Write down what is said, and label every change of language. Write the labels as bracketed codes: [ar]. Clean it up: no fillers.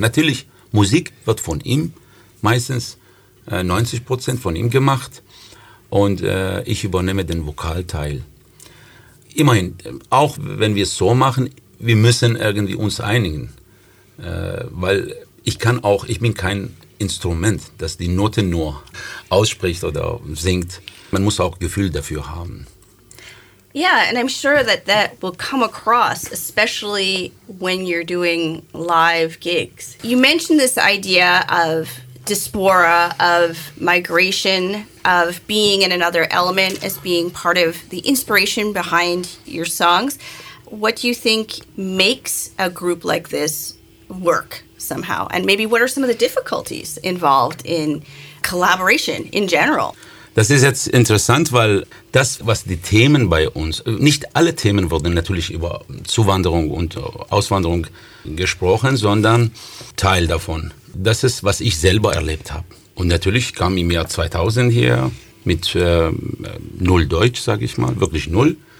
[de] Natürlich, Musik wird von ihm meistens 90% von ihm gemacht und ich übernehme den Vokalteil. Immerhin, auch wenn wir es so machen, wir müssen irgendwie uns einigen, weil ich bin kein Instrument, das die Note nur ausspricht oder singt. Man muss auch Gefühl dafür haben. [en] Yeah, and I'm sure that will come across, especially when you're doing live gigs. You mentioned this idea of diaspora, of migration, of being in another element as being part of the inspiration behind your songs. What do you think makes a group like this work somehow? And maybe what are some of the difficulties involved in collaboration in general? [de] Das ist jetzt interessant, weil das, was die Themen bei uns, nicht alle Themen wurden natürlich über Zuwanderung und Auswanderung gesprochen, sondern Teil davon. Das ist, was ich selber erlebt habe. Und natürlich kam im Jahr 2000 hier mit null Deutsch, sage ich mal, wirklich null.